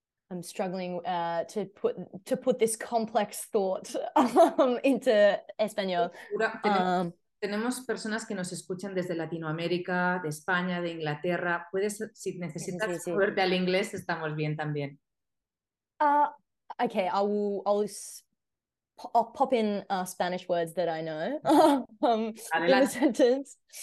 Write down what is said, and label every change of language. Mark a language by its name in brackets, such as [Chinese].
[English] I'm struggling to put this complex thought into español. [Spanish] Tenemos personas que nos escuchan desde Latinoamérica, de España, de Inglaterra. Puedes, si necesitas moverte al inglés, estamos bien también. [English] Okay, I'll pop in Spanish words that I know in the sentence.